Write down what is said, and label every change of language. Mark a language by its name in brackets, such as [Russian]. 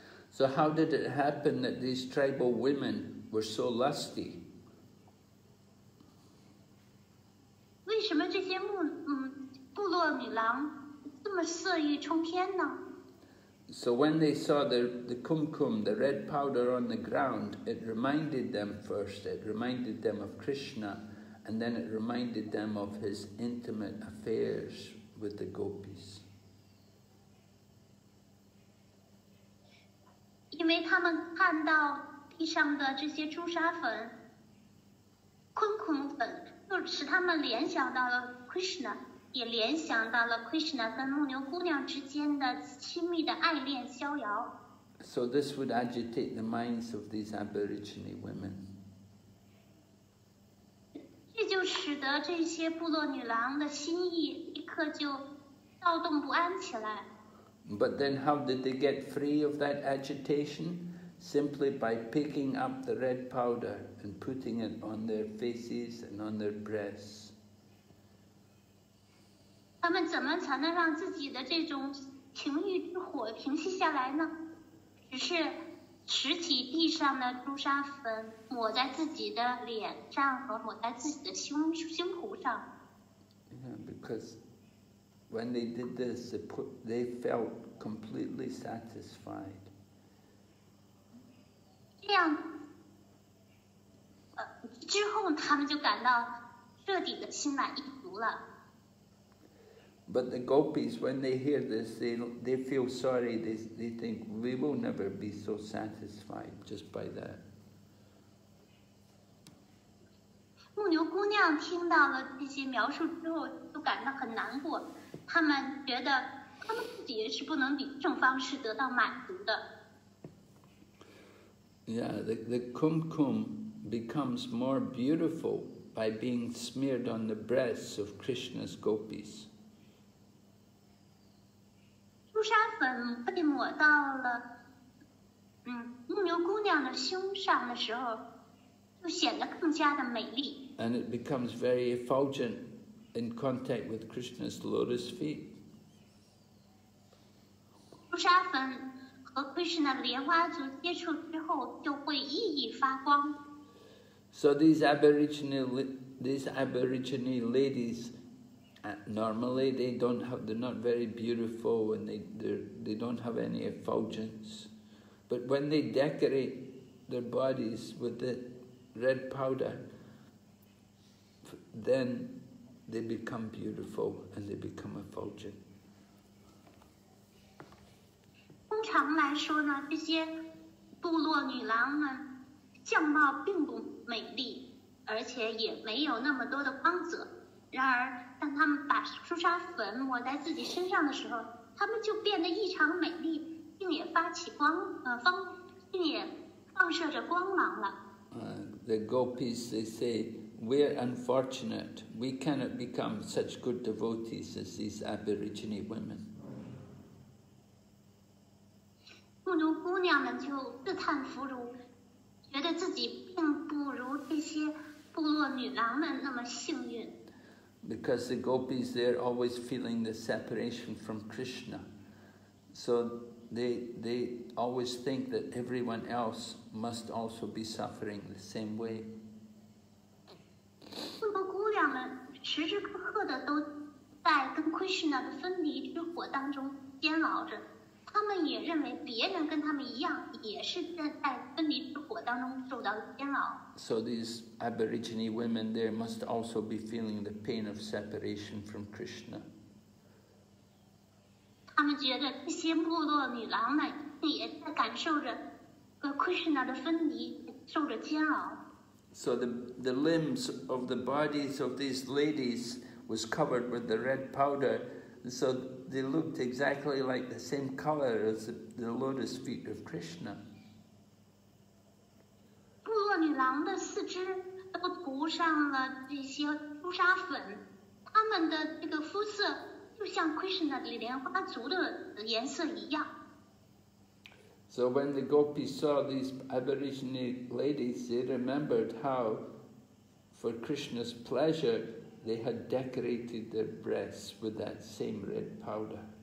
[English] So how did it happen that these tribal women were so lusty? [Chinese] 为什么这些部落女郎这么色欲冲天呢？ [English] So when they saw the kumkum, the red powder on the ground, it reminded them first. It reminded them of Krishna. And then it reminded them of his intimate affairs with the gopis. Because they saw the ground, the [Chinese] 这些朱砂粉 kumkum 粉，就使他们联想到了 Krishna， 也联想到了 Krishna 跟牧牛姑娘之间的亲密的爱恋逍遥。 [English] So this would agitate the minds of these Aborigine women. [Chinese] 就使得这些部落女郎的心意立刻就躁动不安起来。 [English] But then how did they get free of that agitation? Simply by picking up the red powder and putting it on their faces and on their breasts. [Chinese] 他们怎么才能让自己的这种情欲之火平息下来呢？只是拾起地上的朱砂粉，抹在自己的脸上和抹在自己的胸脯上。 [English] Yeah, because when they did this, they felt completely satisfied. [Chinese] 这样，之后他们就感到彻底的心满意足了。 [English] But the gopis, when they hear this, they feel sorry. They think we will never be so satisfied just by that. [Chinese] 牧牛姑娘听到了这些描述之后，就感到很难过。她们觉得她们自己也是不能以这种方式得到满足的。 [English] Yeah, the kumkum becomes more beautiful by being smeared on the breasts of Krishna's gopis. [Chinese] 朱砂粉被抹到了，牧牛姑娘的胸上的时候，就显得更加的美丽。 [English] And it becomes very effulgent in contact with Krishna's lotus feet. [Chinese] 朱砂粉和 Krishna 莲花足接触之后就会熠熠发光。 [English] So these Aborigine ladies, normally they're not very beautiful and they don't have any effulgence, but when they decorate their bodies with the red powder, then they become beautiful and they become effulgent. [Chinese] 通常来说呢，这些部落女郎们相貌并不美丽，而且也没有那么多的光泽。然而，当她们把朱砂粉抹在自己身上的时候，她们就变得异常美丽，并也发起光，并也放射着光芒了。 [English] The gopis, they say, we're unfortunate. We cannot become such good devotees as these aborigine women. [Chinese] 牧奴姑娘们就自叹弗如，觉得自己并不如这些部落女郎们那么幸运。 [English] Because the gopis, they're always feeling the separation from Krishna. So they always think that everyone else must also be suffering the same way. [Chinese] 这个姑娘们时时刻刻的都在跟 Krishna 的分离之火当中煎熬着，她们也认为别人跟她们一样，也是在分离之火当中受到煎熬。 [English] So these aborigine women there must also be feeling the pain of separation from Krishna. [Chinese] 她们觉得这些部落女郎们也在感受着跟 Krishna 的分离，受着煎熬。 [English] So the limbs of the bodies of these ladies was covered with the red powder, so they looked exactly like the same color as the lotus feet of Krishna. [Chinese] 部落女郎的四肢都涂上了这些朱砂粉，她们的这个肤色就像 Krishna 的莲花足的颜色一样。 [English] So when the gopis saw these aborigine ladies, they remembered how, for Krishna's pleasure, they had decorated their breasts with that same red powder.